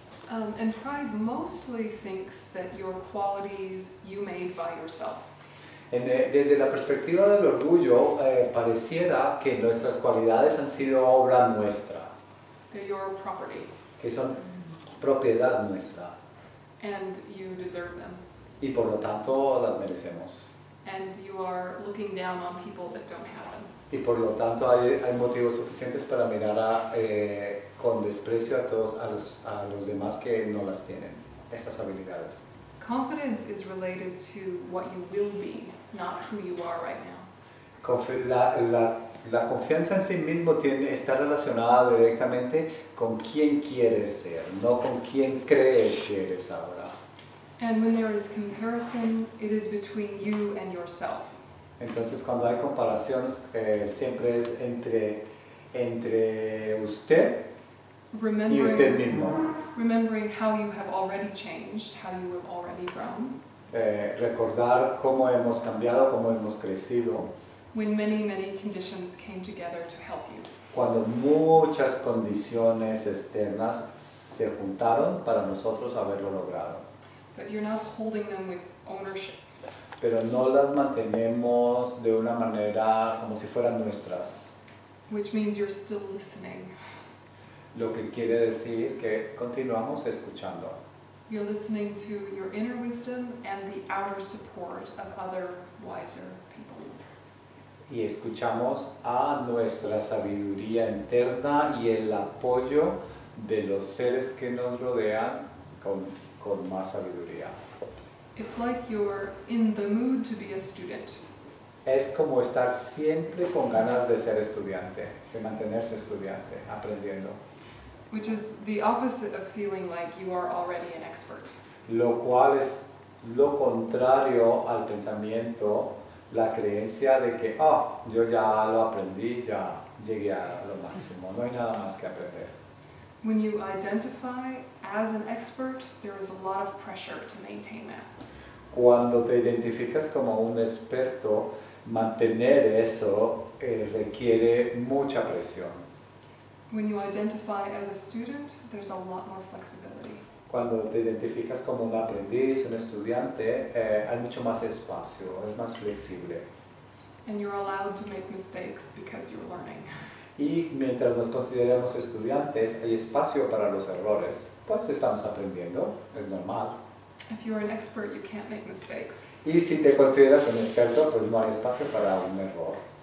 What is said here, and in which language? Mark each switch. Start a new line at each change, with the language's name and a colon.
English: And pride mostly thinks that your qualities you made by yourself.
Spanish: Desde la perspectiva del orgullo, pareciera que nuestras cualidades han sido obra nuestra.
English: Your property.
Spanish: Que son propiedad nuestra.
English: And you deserve them.
Spanish: Y por lo tanto las merecemos.
English: And you are looking down on people that don't have them.
Spanish: Y por lo tanto hay motivos suficientes para mirar con desprecio a los demás que no las tienen, estas habilidades.
English: Confidence is related to what you will be, not who you are right now.
Spanish: La confianza en sí mismo está relacionada directamente con quién quieres ser, no con quién crees que eres ahora.
English: And when there is comparison, it is between you and yourself.
Spanish: Entonces, cuando hay comparaciones, siempre es entre usted.
English: Remembering,
Spanish: y usted mismo.
English: Remembering how you have already changed, how you have already grown.
Spanish: Recordar cómo hemos cambiado, cómo hemos crecido.
English: When many, many conditions came together to help you.
Spanish: Cuando muchas condiciones externas se juntaron para nosotros haberlo logrado.
English: But you're not holding them with ownership.
Spanish: Pero no las mantenemos de una manera como si fueran nuestras.
English: Which means you're still listening.
Spanish: Lo que quiere decir que continuamos escuchando.
English: You're listening to your inner wisdom and the outer support of other wiser people.
Spanish: Y escuchamos a nuestra sabiduría interna y el apoyo de los seres que nos rodean con más sabiduría.
English: It's like you're in the mood to be a student.
Spanish: Es como estar siempre con ganas de ser estudiante, de mantenerse estudiante, aprendiendo.
English: Which is the opposite of feeling like you are already an expert.
Spanish: Lo cual es lo contrario al pensamiento, la creencia de que, oh, yo ya lo aprendí, ya llegué a lo máximo, no hay nada más que aprender.
English: When you identify as an expert, there is a lot of pressure to maintain that.
Spanish: Cuando te identificas como un experto, mantener eso requiere mucha presión.
English: When you identify as a student, there's a lot more flexibility.
Spanish: Cuando te identificas como un aprendiz, un estudiante, hay mucho más espacio, es más flexible.
English: And you're allowed to make mistakes because you're learning.
Spanish: Y mientras nos consideramos estudiantes, hay espacio para los errores. Pues estamos aprendiendo, es normal.
English: If you're an expert, you can't make mistakes.
Spanish: Y si te consideras un experto, pues no hay espacio para un error.